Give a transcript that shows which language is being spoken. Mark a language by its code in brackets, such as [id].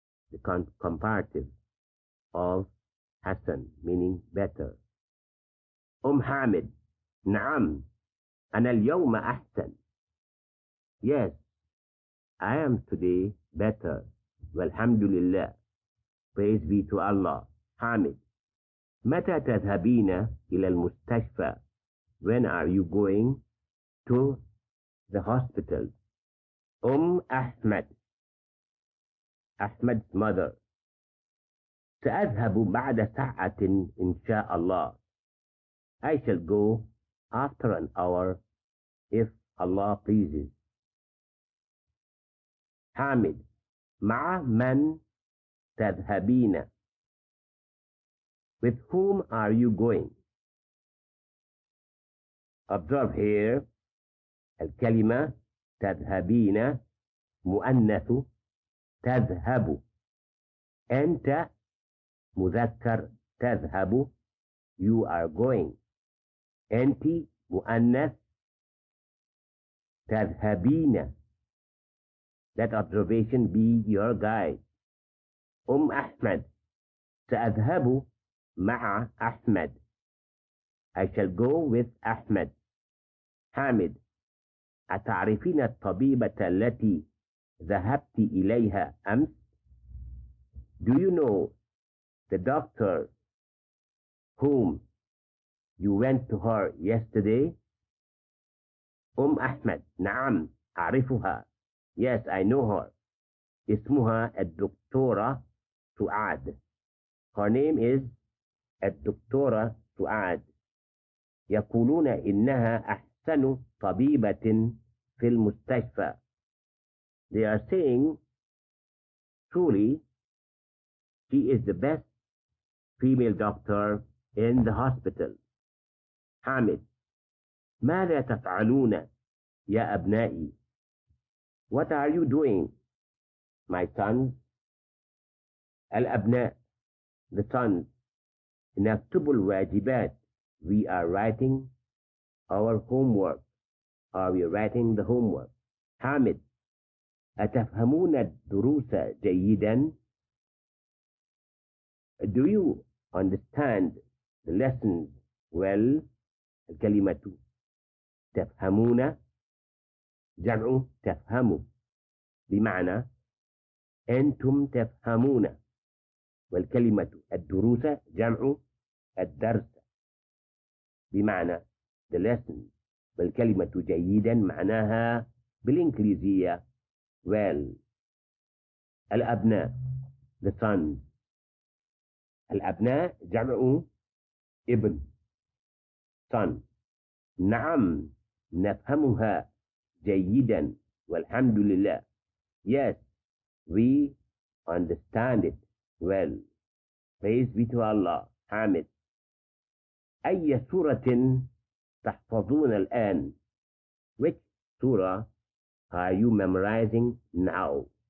[en] The comparative of Hassan meaning better. [ar] أم حامد نعم أنا اليوم أحسن. [en] Yes, I am today better. [ar] والحمد لله. [en] Praise be to Allah. [ar] حامد متى تذهبين إلى المستشفى؟ [en] When are you going to the hospital? أم أحمد. Ahmed's mother. [ar] سأذهب بعد ساعة إن شاء الله. [en] I shall go after an hour if Allah pleases. [ar] حامد مع من تذهبين؟ [en] With whom are you going? Observe here. [ar] الكلمة تذهبين مؤنث تذهب. أنت مذكر تذهب. [en] You are going. [ar] أنت مؤنث تذهبين. [en] Let observation be your guide. [ar] أم أحمد سأذهب مع أحمد. [en] I shall go with أحمد. [ar] حامد أتعرفين الطبيبة التي ذهبت إليها أمس؟ [en] Do you know the doctor whom you went to her yesterday? [ar] أم أحمد نعم أعرفها. [en] Yes, I know her. [ar] اسمها الدكتورة سعاد. [en] Her name is الدكتورة سعاد. [ar] يقولون إنها أحسن طبيبة في المستشفى. [en] They are saying, truly, she is the best female doctor in the hospital. [ar] حامد ماذا تفعلون يا أبنائي؟ [en] What are you doing, my sons? الأبناء, the sons. [ar] نكتب الواجبات. [en] We are writing our homework. Are we writing the homework? [ar] حامد, أتفهمون الدروس جيدا؟ [en] Do you understand the lessons well? [ar] الكلمة تفهمون جمع تفهموا. بمعنى أنتم تفهمون. والكلمة الدروس جمع الدرس. [en] بمعنى the lesson. [ar] والكلمة جيدا معناها بالإنجليزية well. الأبناء [en] the sons. [ar] الأبناء جمع ابن. [en] son. [ar] نعم نفهمها جيدا والحمد لله. [en] Yes, we understand it well. Praise be to Allah. Hamid. [ar] أي سورة تحفظون الآن؟ [en] Which surah are you memorizing now?